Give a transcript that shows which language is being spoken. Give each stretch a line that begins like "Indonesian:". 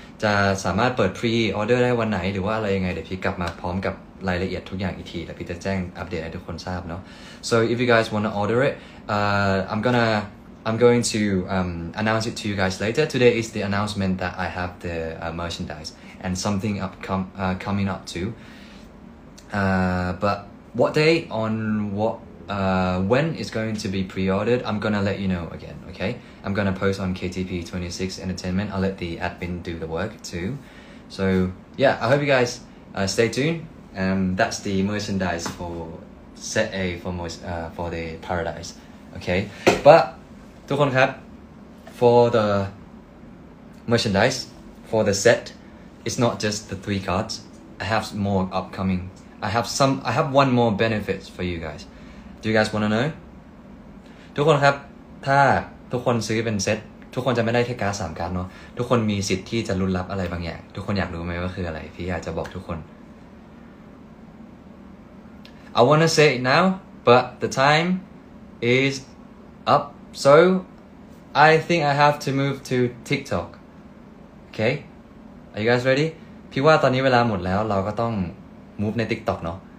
Thai: จะสามารถเปิด pre order ได้วันไหนหรือว่าอะไรยังไงเดี๋ยวพี่กลับมาพร้อมกับรายละเอียดทุกอย่างอีกทีแล้วพี่จะแจ้งอัปเดตให้ทุกคนทราบเนาะ
English: so if you guys wanna order it I'm going to announce it to you guys later today is the announcement that I have the merchandise and something coming up too but what day on whatwhen it's going to be pre-ordered, I'm gonna let you know again, okay? I'm gonna post on KTP 26 Entertainment. I'll let the admin do the work too. So yeah, I hope you guys stay tuned. That's the merchandise for set A for the Paradise, okay? But,
Thai: ทุกคนครับ,
English: for the merchandise, for the set, it's not just the 3 cards. I have more upcoming. I have one more benefit for you guys. Do you guys wanna know?
Thai: ทุกคนครับถ้าทุกคนซื้อเป็นเซตทุกคนจะไม่ได้แค่การ์ด3การ์ดเนาะทุกคนมีสิทธิ์ที่จะลุ้นรับอะไรบางอย่างทุกคนอยากรู้ไหมว่าคืออะไรพี่อยากจะบอกทุกคน
English: I wanna say it now but the time is up so I think I have to move to TikTok okay are you guys ready
Thai: พี่ว่าตอนนี้เวลาหมดแล้วเราก็ต้อง move ใน TikTok เนาะ